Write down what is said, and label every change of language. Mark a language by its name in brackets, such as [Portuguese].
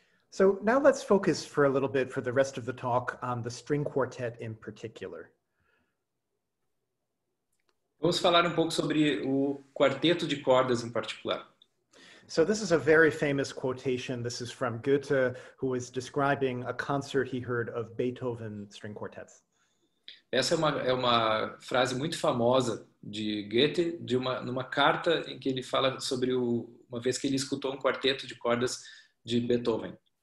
[English] So now let's focus for a little bit for the rest of the talk on the string quartet in particular. [Portuguese] Vamos falar pouco sobre o quarteto de cordas em particular. [English] So this is a very famous quotation. This is from Goethe, who is describing a concert he heard of Beethoven string quartets. [Portuguese] Essa é uma frase muito famosa de Goethe, numa carta em que ele fala sobre uma vez que ele escutou um quarteto de cordas de Beethoven.